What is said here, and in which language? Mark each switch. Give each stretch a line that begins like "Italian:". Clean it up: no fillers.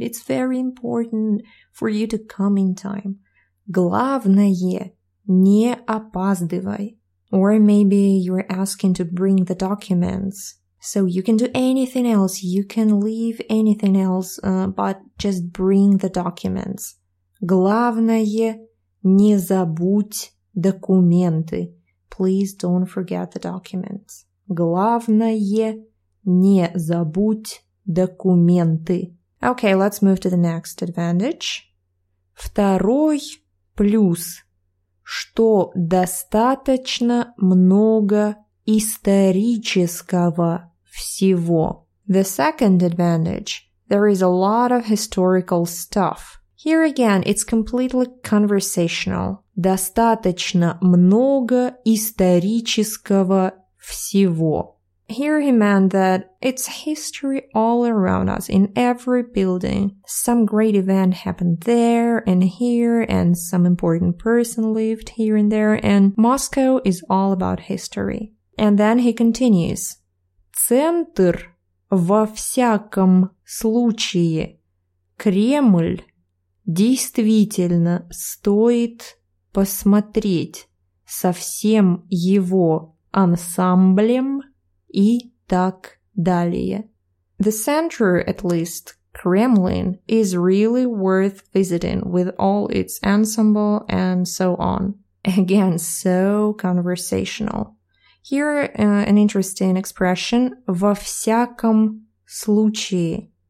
English: It's very important for you to come in time.
Russian: Главное, не опаздывай.
English: Or maybe you're asking to bring the documents. So you can do anything else. You can leave anything else, but just bring the documents.
Russian: Главное, не забудь документы.
English: Please don't forget the documents.
Russian: Главное, не забудь документы.
English: Okay, let's move to the next advantage.
Russian: Второй плюс, что достаточно много исторического всего.
English: The second advantage, there is a lot of historical stuff. Here again, it's completely conversational.
Russian: Достаточно много исторического всего.
English: Here he meant that it's history all around us, in every building. Some great event happened there and here, and some important person lived here and there, and Moscow is all about history. And then he continues.
Russian: Центр, во всяком случае, Кремль, действительно стоит посмотреть со всем его ансамблем и так далее.
English: The center, at least, Kremlin, is really worth visiting with all its ensemble and so on. Again, so conversational. Here, an interesting expression,
Russian: во всяком случае.